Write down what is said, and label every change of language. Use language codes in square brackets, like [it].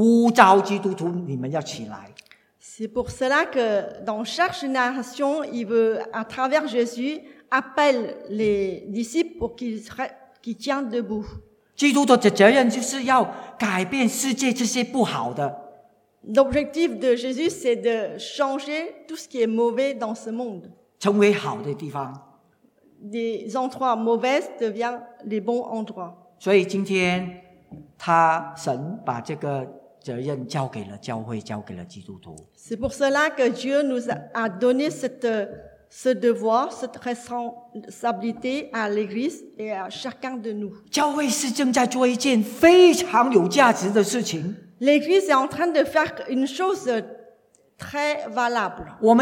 [zh] 所以他在每一个世代当中，他要借着耶稣基督呼召基督徒，你们要起来。 [fr] C'est pour cela que dans chaque génération, il veut à travers Jésus appelle les disciples pour qu'ils tiennent debout. [zh] 基督徒的责任就是要改变世界这些不好的。 [fr] L'objectif de Jésus, c'est de changer tout ce qui est mauvais dans ce monde. [zh] 成为好的地方。 [fr] Des endroits mauvais deviennent les bons endroits. [zh] 所以今天, 他神把这个责任交给了教会，交给了基督徒。 [fr] C'est pour cela que Dieu nous a donné ce devoir, cette responsabilité à l'Église et à chacun de nous. [zh] 教会是正在做一件非常有价值的事情。 [fr] L'Église est en train de faire une chose très valable.